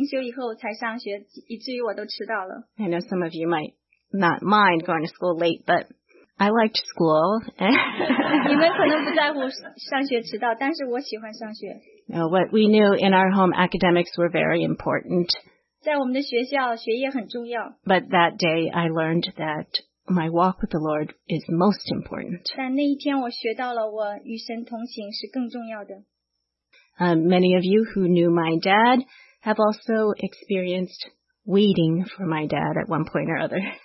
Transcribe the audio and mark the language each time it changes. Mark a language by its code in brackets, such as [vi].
[zh] 她就让我没有直接上我上学，就在家里灵修以后才上学，以至于我都迟到了。 [en] I know some of you might not mind going to school late, but I liked school. [zh] 你们可能不在乎上学迟到，但是我喜欢上学。 [en] Now, what we knew in our home, academics were very important. [zh] 在我们的学校，学业很重要。 [en] But that day, I learned that my walk with the Lord is most important. [zh] 但那一天，我学到了我与神同行是更重要的。 [en] Many of you who knew my dad have also experienced waiting for my dad at one point or other.